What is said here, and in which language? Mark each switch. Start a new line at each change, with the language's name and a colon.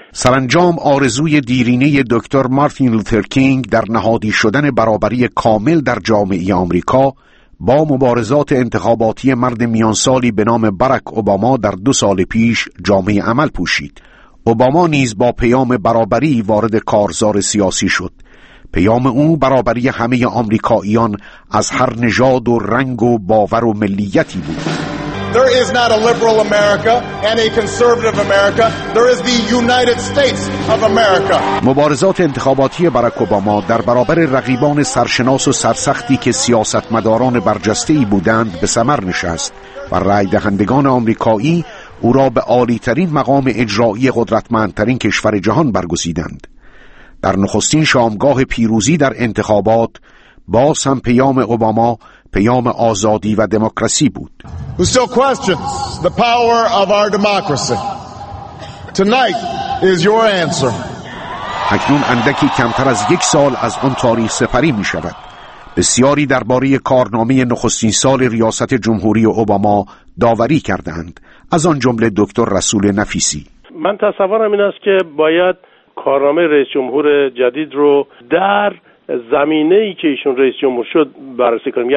Persian: سرانجام آرزوی دیرینه دکتر مارتین لوتر کینگ در نهادی شدن برابری کامل در جامعه آمریکا با مبارزات انتخاباتی مرد میانسالی به نام باراک اوباما در 2 سال پیش جامعه عمل پوشید. اوباما نیز با پیام برابری وارد کارزار سیاسی شد. پیام او برابری همه آمریکاییان از هر نژاد و رنگ و باور و ملیتی بود.
English: There is not a liberal America and a conservative America. There is the United States of America.
Persian: مبارزات انتخاباتی باراک اوباما در برابر رقیبان سرشناس و سرسختی که سیاستمداران برجسته‌ای بودند به ثمر نشست و رأی دهندگان آمریکایی او را به عالی‌ترین مقام اجرایی قدرتمندترین کشور جهان برگزیدند. در نخستین شامگاه پیروزی در انتخابات، باز هم پیام اوباما پیام آزادی و دموکراسی بود.
English: Who still questions the power of our democracy? Tonight is your answer.
Persian: اکنون اندکی کمتر از 1 سال از آن تاریخ سپری می شود. بسیاری درباره کارنامه نخستین سال ریاست جمهوری اوباما داوری کردند، از آن جمله دکتر رسول نفیسی. من تصورم این است که باید کارنامه رئیس جمهور جدید رو در زمینه‌ای که ایشون رئیس جمهور شد بررسی کنیم.